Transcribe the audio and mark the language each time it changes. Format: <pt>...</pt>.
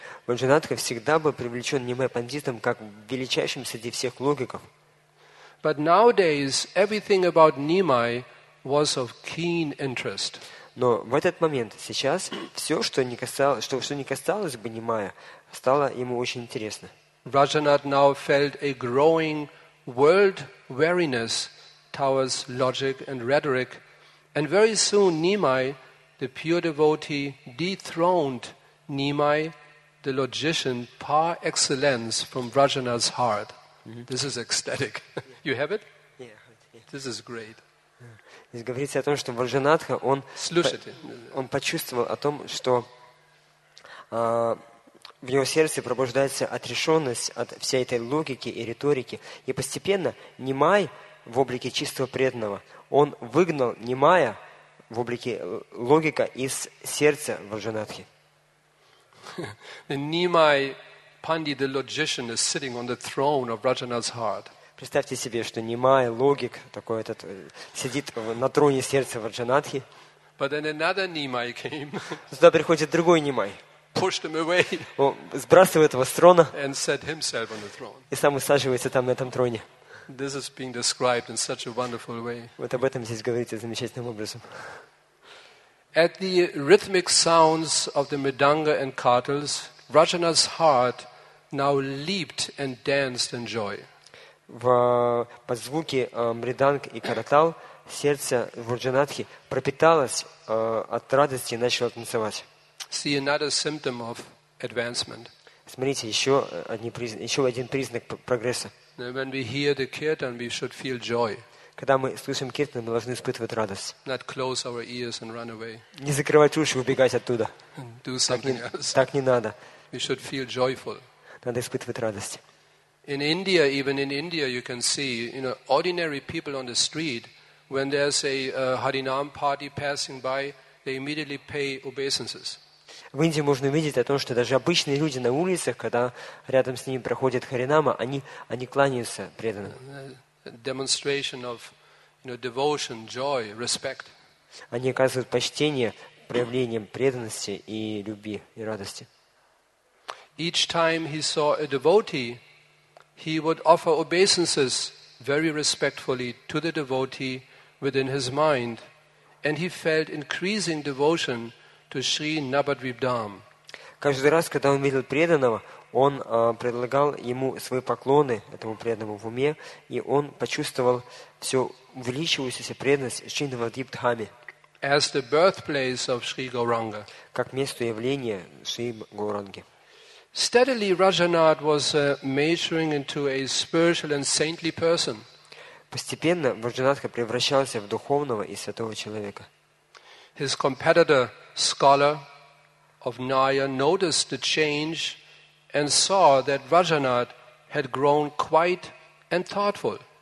<ru>Раджанадха всегда был привлечен Нимай Пандитом как величайшим среди всех логиков.</ru> <en>But nowadays everything about Nimai was of keen interest.</en> <ru>Но в этот момент, сейчас, все, что не касалось бы Нимая, стало ему очень интересно.</ru> <en>Rajanad now felt a growing world weariness towards logic and rhetoric, and very soon Nimai, the pure devotee, dethroned Nimai, the logician, par excellence from Rajanad's heart. Mm-hmm. This is ecstatic. Yeah. You have it? Yeah. This is great.</en> <ru>Здесь говорится о том, что Варджанатха, он почувствовал о том, что в его сердце пробуждается отрешенность от всей этой логики и риторики. И постепенно Нимай в облике чистого преданного, он выгнал Нимая в облике логика из сердца Варджанатхи.</ru> <en>Нимай, Панди, the logician, is sitting on the throne of Rajanath's heart.</en> <ru>Представьте себе, что Нимай, логик, такой этот, сидит на троне сердца Варджанадхи.</ru> <en>But then another Nimai came.</en> <ru>Сюда приходит другой Нимай.</ru> <en>Pushed him away.</en> <ru>Он сбрасывает его с трона.</ru> <en>And set himself on the throne.</en> <ru>И сам усаживается там, на этом троне.</ru> <en>This is being described in such a wonderful way.</en> <ru>Вот об этом здесь говорится замечательным образом.</ru> <en>At the rhythmic sounds of the Mridanga and Kartals, Rajana's heart now leaped and danced in joy.</en> <ru>Под звуки мриданг и каратал сердце Варджанадхи пропиталось от радости и начало танцевать.</ru> <en>See another symptom of advancement.</en> <ru>Смотрите, еще один признак прогресса.</ru> <en>When we hear the kirtan, we should feel joy.</en> <ru>Когда мы слышим киртан, мы должны испытывать радость.</ru> <en>Not close our ears and run away.</en> <ru>Не закрывать уши и убегать оттуда.</ru> <en>Do something else.</en> <ru>Так не надо.</ru> <en>We should feel joyful.</en> <ru>Надо испытывать радость.</ru> <en>In India, even in India, you can see, you know, ordinary people on the street, when there's a Harinam party passing by, they immediately pay obeisances.</en> <ru>В Индии можно увидеть о том, что даже обычные люди на улицах, когда рядом с ними проходит Харинама, они кланяются преданным.</ru> <en>Demonstration of, you know, devotion, joy, respect.</en> <ru>Они оказывают почтение проявлением преданности и любви и радости.</ru> <en>Each time he saw a devotee, he would offer obeisances very respectfully to the devotee within his mind, and he felt increasing devotion to Sri Nabadvip Dham.</en> <ru>Каждый раз, когда он видел преданного, он предлагал ему свои поклоны этому преданному в уме, и он почувствовал всю увеличивающуюся преданность Шри Набадвип Дхаме.</ru> <en>As the birthplace of Sri Gauranga.</en> <ru>Как место явления Шри Гауранги.</ru> <en>Steadily, Rajanad was maturing into a spiritual and saintly person.</en> <ru>Постепенно Раджанадха превращался в духовного и святого человека.</ru> <en>His competitor, scholar of Naya, noticed the change and saw that Rajanad had grown quiet and thoughtful.</en>